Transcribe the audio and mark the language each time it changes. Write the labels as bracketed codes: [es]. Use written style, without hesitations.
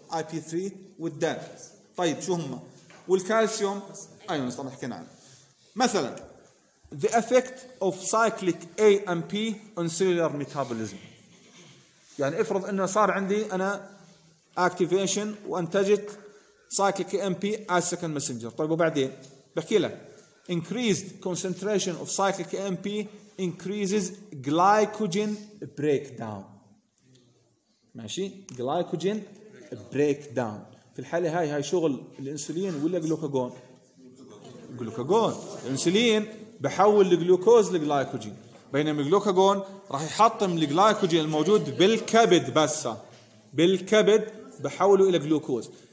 [ar] اي بي 3 والداج، طيب شو هم؟ والكالسيوم ايون صرنا حكينا عنه. مثلا [en] the effect of cyclic AMP on cellular metabolism. [ar] يعني افرض انه صار عندي انا activation وانتجت cyclic AMP [en] as second messenger. [ar] طيب وبعدين بحكي لك [en] increased concentration of cyclic AMP increases glycogen breakdown. [ar] ماشي [en] glycogen breakdown. [ar] في الحالة هاي شغل الانسولين ولا جلوكاجون؟ جلوكاجون. الانسولين بحول الجلوكوز لجلايكوجين، بينما الجلوكاجون راح يحطم الجلايكوجين الموجود بالكبد، بس بالكبد بحوله الى جلوكوز.